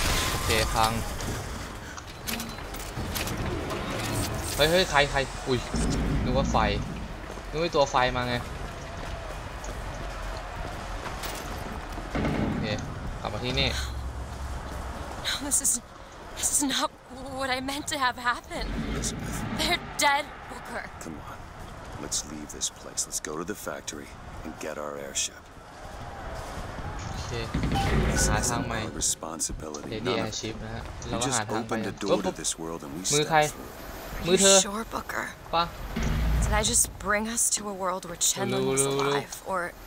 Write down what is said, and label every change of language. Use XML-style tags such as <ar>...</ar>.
<th>โอเคพังเฮ้ยๆใครอุ้ยนึกว่าไฟนึกว่าตัวไฟมาไงโอเคกลับมาที่นี่</th> <en>No, this is not what I meant to have happen. They're dead, Booker. Come on. Let's leave this place. Let's go to the factory and get our airship.</en> <th>โอเคหาทางใหม่ responsibility นะฮะเราก็หาทางไปมือใครมือเธอ ป่ะ</th> <en>Did I just bring us to a world where Chen Lung is alive or</en>